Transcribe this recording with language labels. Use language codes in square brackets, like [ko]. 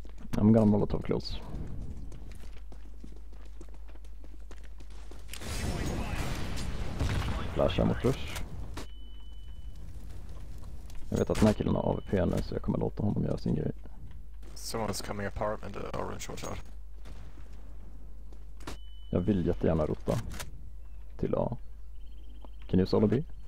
[en] I'm gonna molotov close. [sv] Flashar mot rush. Jag vet att den här killen har AWP nu, så jag kommer låta honom göra sin grej. [en] Someone is coming apart in the orange watch out. [sv] Jag vill jättegärna rota till A. [en] Can you solo B?